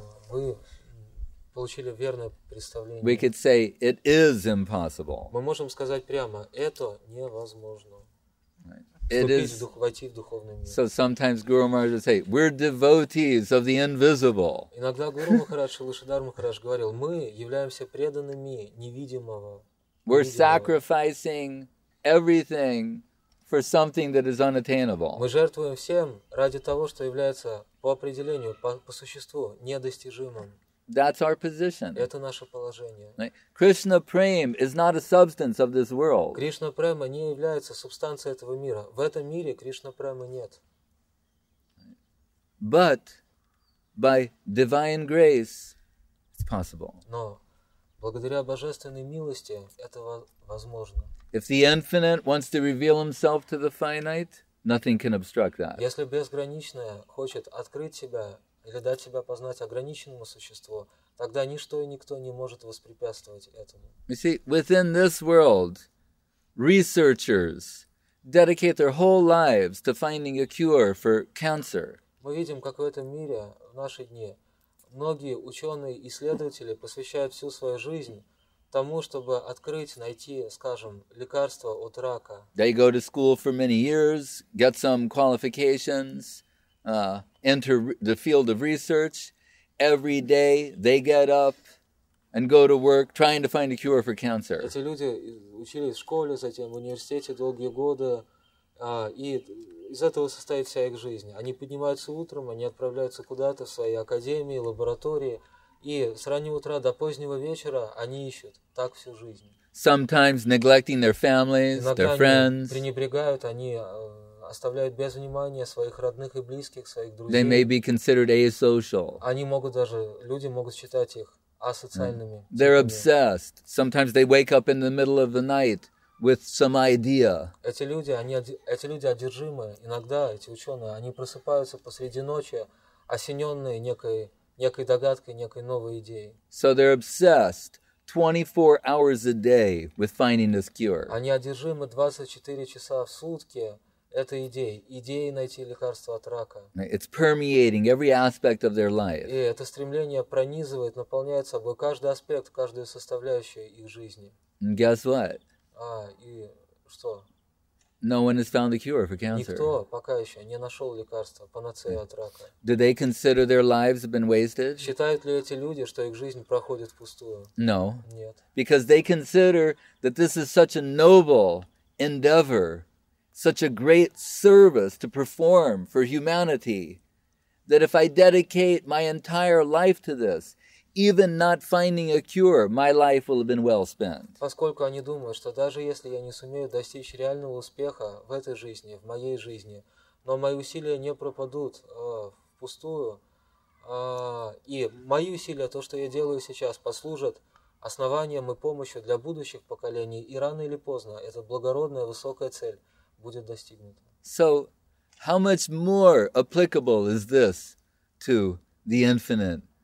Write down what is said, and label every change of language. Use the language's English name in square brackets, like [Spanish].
[Russian] Вы получили верное представление. [English] We could say it is impossible. [Russian] Мы можем сказать прямо, это невозможно. [English] It is. So sometimes Guru Maharaj would say, "We're devotees of the invisible." [Russian] Иногда Гуру Махарадж, Лошадар Махарадж говорил, мы являемся преданными невидимого. [English] We're sacrificing everything for something that is unattainable. [Russian] Мы жертвуем всем ради того, что является по определению, по существу недостижимым. [English] That's our position. [Russian] Это наше положение. [English] Krishna prema is not a substance of this world. [Russian] Кришна према не является субстанцией этого мира. В этом мире Кришна премы нет. [English] But by divine grace, it's possible. [Russian] Но благодаря божественной милости это возможно. [English] If the infinite wants to reveal himself to the finite, nothing can obstruct that. [Russian] Если безграничное хочет открыть себя или дать себя познать ограниченному существу, тогда ничто и никто не может воспрепятствовать этому. [English] You see, within this world, researchers dedicate their whole lives to finding a cure for cancer. [Russian] Мы видим, как в этом мире, в наши дни, многие ученые и исследователи посвящают всю свою жизнь тому, чтобы открыть, найти, скажем, лекарство от рака. [English] They go to school for many years, get some qualifications, enter the field of research. Every day they get up and go to work trying to find a cure for cancer. [Russian] Эти люди учились в школе, затем в университете долгие годы, и из этого состоит вся их жизнь. Они поднимаются утром, они отправляются куда-то в свои академии, лаборатории, и с раннего утра до позднего вечера они ищут. Так всю жизнь. [English] Sometimes neglecting their families, their friends. [Russian] Иногда пренебрегают они, оставляют без внимания своих родных и близких, своих друзей. [English] They may be considered asocial. [Russian] Они могут даже, люди могут считать их асоциальными. Mm. [English] They're obsessed. Sometimes they wake up in the middle of the night with some idea. [Russian] Эти люди одержимы. Иногда эти ученые, они просыпаются посреди ночи, осененные некой догадкой, некой новой идеей. [English] So they're obsessed 24 hours a day with finding this cure. [Russian] Они одержимы 24 часа в сутки этой идеей найти лекарство от рака. [English] It's permeating every aspect of their life. [Russian] И это стремление пронизывает, наполняет собой каждый аспект, каждую составляющую их жизни. [English] And guess what? [Russian] И что? [English] No one has found a cure for cancer. [Russian] Никто пока еще не нашел лекарства, панацею от рака. [English] Do they consider their lives have been wasted? [Russian] Считают ли эти люди, что их жизнь проходит впустую? [English] No. [Russian] Нет. [English] Because they consider that this is such a noble endeavor, such a great service to perform for humanity, that if I dedicate my entire life to this, even not finding a cure, my life will have been well spent. [Russian] Поскольку они думают, что даже если я не сумею достичь реального успеха в этой жизни, в моей жизни, но мои усилия не пропадут впустую, и мои усилия, то, что я делаю сейчас, послужат основанием и помощью для будущих поколений, и рано или поздно это благородная высокая цель будет достигнута. [English] So, how much more applicable is this to the infinite?